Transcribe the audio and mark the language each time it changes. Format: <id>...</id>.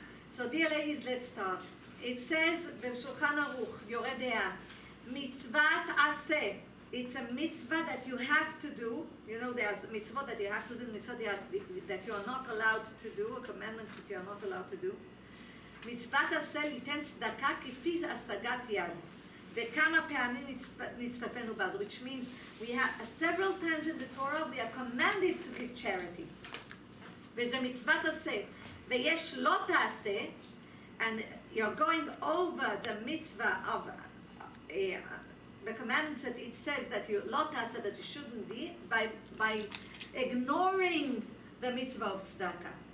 <en>So dear ladies, let's start. It says, b'mshulchan aruch, yoredea, mitzvat ase. It's a mitzvah that you have to do. You know, there's mitzvot that you have to do, mitzvot that you are not allowed to do, or commandments that you are not allowed to do.</en> <he>מצוות עשה ליתן צדקה כפי השגת יד וכמה פעמים נצטפנו בה.</he> <en>Which means we have several times in the Torah we are commanded to give charity. וזה מצוות עשה. ויש לא תעשה, and you're going over the mitzvah of the commandments that it says that you לא תעשה, that you shouldn't be, by ignoring the mitzvah of צדקה.</en>